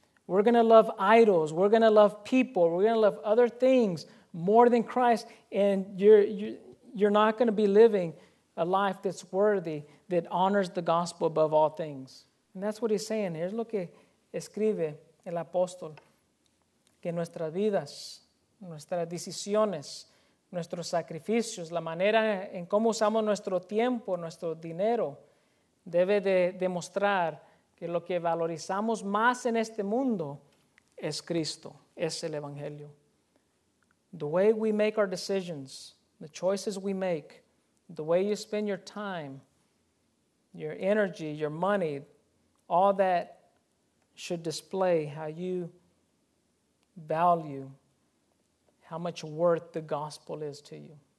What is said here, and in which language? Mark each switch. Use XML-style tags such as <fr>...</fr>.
<en>We're going to love idols. We're going to love people. We're going to love other things more than Christ. And you're not going to be living a life that's worthy, that honors the gospel above all things. And that's what he's saying. Here's</en> <es>lo que escribe el apóstol. Que nuestras vidas, nuestras decisiones, nuestros sacrificios, la manera en cómo usamos nuestro tiempo, nuestro dinero, debe de demostrar que lo que valorizamos más en este mundo es Cristo, es el Evangelio.</es> <en>The way we make our decisions, the choices we make, the way you spend your time, your energy, your money, all that should display how you value how much worth the gospel is to you.</en>